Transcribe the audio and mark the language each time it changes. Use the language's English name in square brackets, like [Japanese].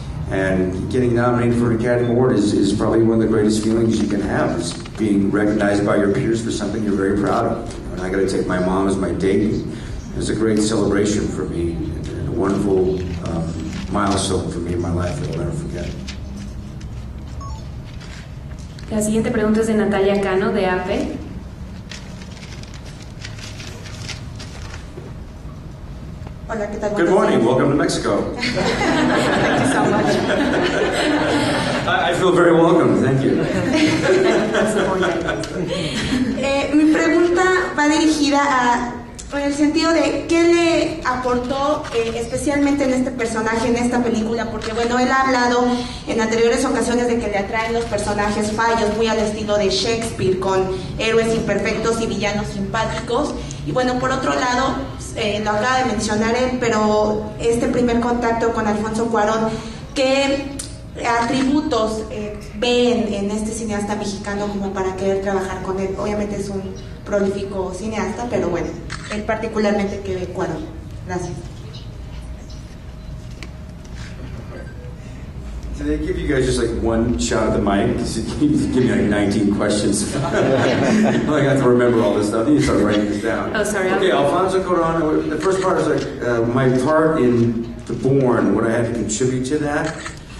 [English] And getting nominated for an Academy Award is probably one of the greatest feelings you can have, is being recognized by your peers for something you're very proud of. And I got to take my mom as my date. It was a great celebration for me, and a wonderful milestone for me in my life that I'll never forget. [Spanish] La siguiente pregunta es de Natalia Cano, de APE. Hola, ¿qué tal? [English] Good morning. Welcome to Mexico. Thank you so much. I feel very welcome. Thank you. [Spanish] Mi pregunta va dirigida a, en el sentido de qué le aportó especialmente en este personaje, en esta película, porque bueno, él ha hablado en anteriores ocasiones de que le atraen los personajes fallos, muy al estilo de Shakespeare, con héroes imperfectos y villanos simpáticos. Y bueno, por otro lado, lo acaba de mencionar él, pero este primer contacto con Alfonso Cuarón, ¿qué atributos ven en este cineasta mexicano como para querer trabajar con él? Obviamente es un prolífico cineasta, pero bueno, él particularmente que ve Cuarón. Gracias. [English] Did they give you guys just like one shot at the mic? Because you need to give me like 19 questions. I have to remember all this stuff. I need to start writing this down. Oh, sorry. Okay, Alfonso Cuarón. The first part is like my part in The Bourne, what I had to contribute to that.